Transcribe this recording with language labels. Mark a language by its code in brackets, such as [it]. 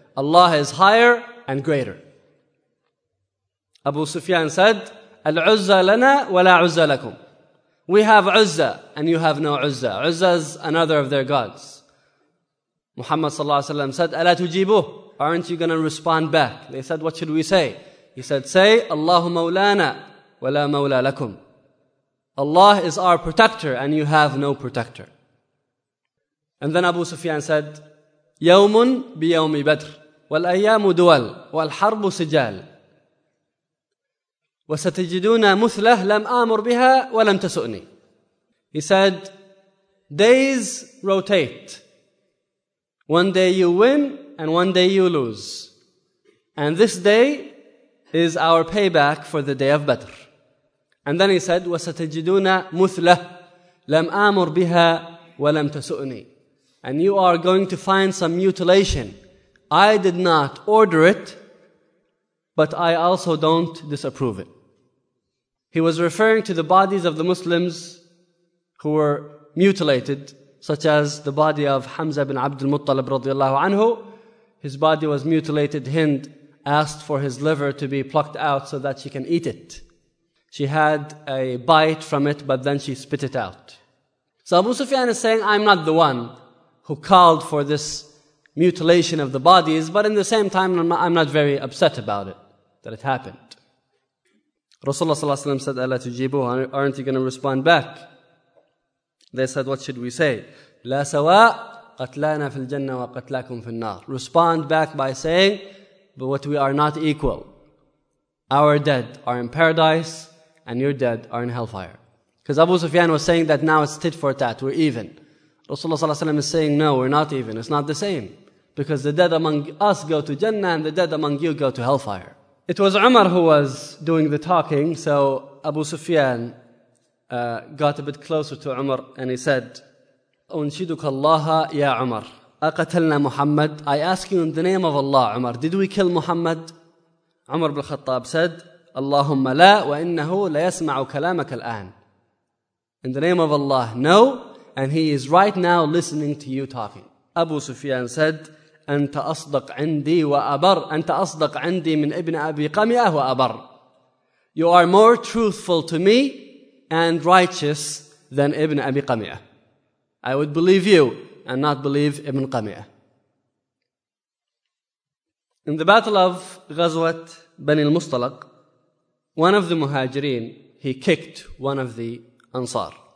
[en] Allah is higher and greater. Abu Sufyan said, [ar] "Al-'uzza lana wa la 'uzza lakum." [en] We have 'uzza and you have no 'uzza. 'Uzza is another of their gods. Muhammad sallallahu alayhi wa sallam said, [ar] أَلَا تُجِيبُهُ. [en] Aren't you going to respond back? They said, what should we say? He said, say, [ar] اللَّهُ مَوْلَانَا وَلَا مَوْلَى لَكُمْ. [en] Allah is our protector and you have no protector. And then Abu Sufyan said, [ar] يَوْمٌ بِيَوْمِ بَدْرِ وَالْأَيَّامُ دُوَلْ وَالْحَرْبُ سِجَالِ وَسَتَجِدُونَ مُثْلَهُ لَمْ أَمُرْ بِهَا وَلَمْ تَسُؤْنِي. [en] He said, days rotate. One day you win and one day you lose. And this day is our payback for the day of Badr. And then he said, [ar] وَسَتَجِدُونَ مُثْلَهُ لَمْ أَمُرْ بِهَا وَلَمْ تَسُؤْنِي. [en] And you are going to find some mutilation. I did not order it, but I also don't disapprove it. He was referring to the bodies of the Muslims who were mutilated, such as the body of Hamza ibn Abdul Muttalib radiallahu anhu. His body was mutilated. Hind asked for his liver to be plucked out so that she can eat it. She had a bite from it, but then she spit it out. So Abu Sufyan is saying, I'm not the one who called for this mutilation of the bodies, but in the same time, I'm not very upset about it, that it happened. Rasulullah ﷺ said, [ar] أَلَا تُجِيبُهُ. [en] Aren't you going to respond back? They said, what should we say? [ar] لَا سَوَاءَ قَتْلَانَا فِي الْجَنَّةِ وَقَتْلَاكُمْ فِي النَّارِ. [en] Respond back by saying, but what, we are not equal. Our dead are in paradise, and your dead are in hellfire. Because Abu Sufyan was saying that now it's tit for tat, we're even. Rasulullah ﷺ is saying, no, we're not even, it's not the same. Because the dead among us go to Jannah, and the dead among you go to hellfire. It was Umar who was doing the talking, so Abu Sufyan got a bit closer to Umar, and he said, [ar] أُنْشِدُكَ اللَّهَ يَا عُمَرْ أَقَتَلْنَا مُحَمَّدْ. [en] I ask you in the name of Allah, Umar, did we kill Muhammad? Umar bin Khattab said, [ar] اللَّهُمَّ لَا وَإِنَّهُ لَيَسْمَعُ كَلَامَكَ الْآنِ. [en] In the name of Allah, no, and he is right now listening to you talking. Abu Sufyan said, [ar] أَنْتَ أَصْدَقْ عِنْدِي وَأَبَرْ. أَنْتَ أَصْدَقْ عِنْدِي مِنْ إِبْنِ أَبِي قَمِيَةُ وَأَبَرْ. [en] You are more truthful to me and righteous than Ibn Abi Qamiyah. I would believe you and not believe Ibn Qamiyah. In the battle of Ghazwat Bani al-Mustalaq, one of the Muhajirin, he kicked one of the Ansar.